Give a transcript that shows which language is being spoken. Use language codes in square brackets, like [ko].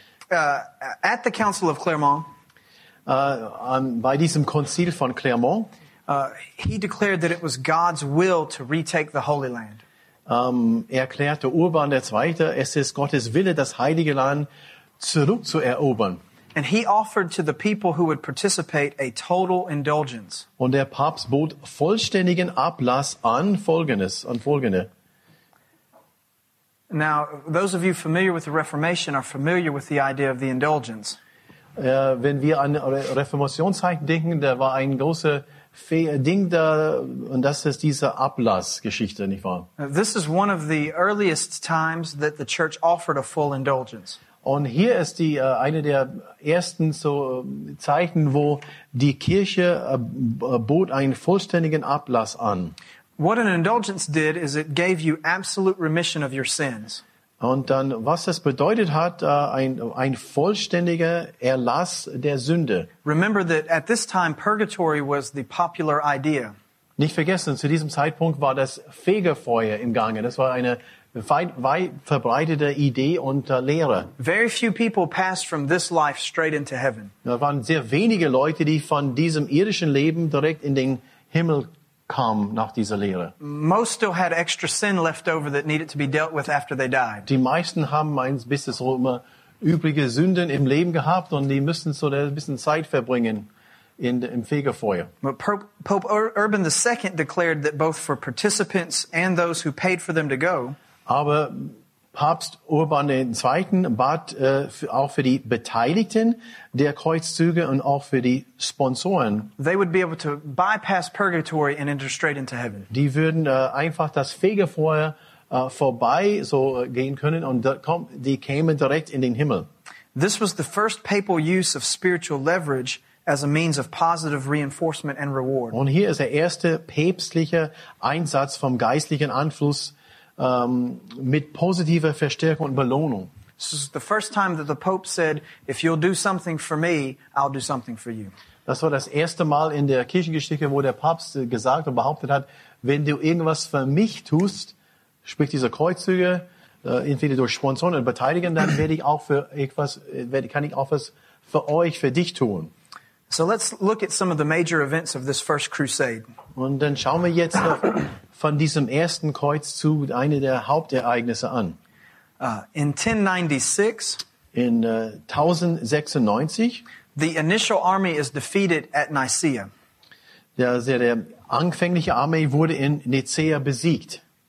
[en] At the Council of Clermont, [de] bei diesem Konzil von Clermont, [en] he declared that it was God's will to retake the Holy Land. [de] Erklärte Urban der Zweite, es ist Gottes Wille, das Heilige Land zurückzuerobern. [en] And he offered to the people who would participate a total indulgence. [de] Und der Papst bot vollständigen Ablass an Folgende. [en] Now, those of you familiar with the Reformation are familiar with the idea of the indulgence. [de] Wenn wir an Reformationszeit denken, da war ein großes Ding da, und das ist diese Ablassgeschichte, nicht wahr? [en] This is one of the earliest times that the church offered a full indulgence. [de] Und hier ist die eine der ersten so Zeiten, wo die Kirche bot einen vollständigen Ablass an. [en] What an indulgence did is it gave you absolute remission of your sins. [de] Und dann, was das bedeutet hat, ein vollständiger Erlass der Sünde. [en] Remember that at this time purgatory was the popular idea. [de] Nicht vergessen, zu diesem Zeitpunkt war das Fegefeuer im Gange. Das war eine weit verbreitete Idee und Lehre. [en] Very few people passed from this life straight into heaven. [de] Da waren sehr wenige Leute, die von diesem irdischen Leben direkt in den Himmel kam nach dieser Lehre. [en] Most still had extra sin left over that needed to be dealt with after they died. [de] Die meisten haben ein bisschen so immer übrige Sünden im Leben gehabt, und die müssen so ein bisschen Zeit verbringen im Fegefeuer. [en] But Pope Urban II declared that both for participants and those who paid for them to go. [de] Aber Papst Urban II. Bat auch für die Beteiligten der Kreuzzüge und auch für die Sponsoren. [en] They would be able to bypass purgatory and enter straight into heaven. [de] Die würden einfach das Fegefeuer vorbei so gehen können und die kämen direkt in den Himmel. [en] This was the first papal use of spiritual leverage as a means of positive reinforcement and reward. [de] Und hier ist der erste päpstliche Einsatz vom geistlichen Einfluss mit positiver Verstärkung und Belohnung. [en] This is the first time that the Pope said, if you'll do something for me, I'll do something for you. [de] Das war das erste Mal in der Kirchengeschichte, wo der Papst gesagt und behauptet hat, wenn du irgendwas für mich tust, sprich diese Kreuzzüge, entweder durch Sponsoren oder Beteiligen, dann werde ich auch für etwas, kann ich auch was für euch, für dich tun. [en] So let's look at some of the major events of this first crusade. [de] Und dann schauen wir jetzt von diesem ersten Kreuzzug eine der Hauptereignisse an. [en] In 1096, [de] in 1096, [en] the initial army is defeated at Nicaea. [de] Der anfängliche Armee wurde in Nicaea besiegt.